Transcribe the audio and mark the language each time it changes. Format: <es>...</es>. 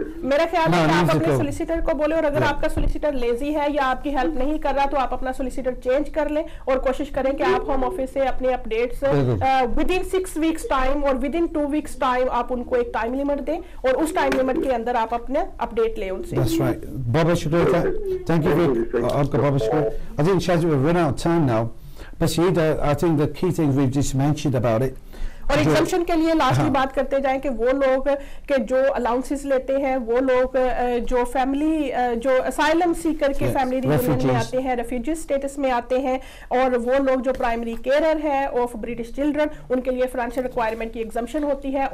<hi>मेरा ख्याल है आप अपने सोलिसिटर को बोले, और अगर आपका सोलिसिटर लेजी है या आपकी हेल्प नहीं कर रहा तो आप अपना सोलिसिटर चेंज कर लें और कोशिश करें कि आप होम ऑफिस से अपने updates</hi> <en>within 6 weeks time</en> <hi>और</hi> <en>within 2 weeks time</en> <hi>आप उनको एक टाइम लिमिट दें और उस टाइम लिमिट के अंदर आप अपने अपडेट लें उनसे।</hi> <en>That's right.</en> <hi>बहुत बहुत शुक्रिया, थैंक यू आपका, बहुत बहुत शुक्रिया।</hi> <en>I think Shaz, we've run out of time now. But see, the, I think the key things we've just mentioned about it.</en> <hi>और एक्सेम्पशन के लिए लास्ट की बात करते जाएं कि वो लोग के जो अलाउंसेस लेते हैं, वो लोग जो फैमिली जो असाइलम सीकर के फैमिली रियूनियन में आते हैं, रेफ्यूजी स्टेटस में आते हैं, और वो लोग जो प्राइमरी केयरर है</hi> <en>of British children,</en> <hi>उनके लिए फाइनेंशियल रिक्वायरमेंट की एक्सेम्पशन होती है।</hi>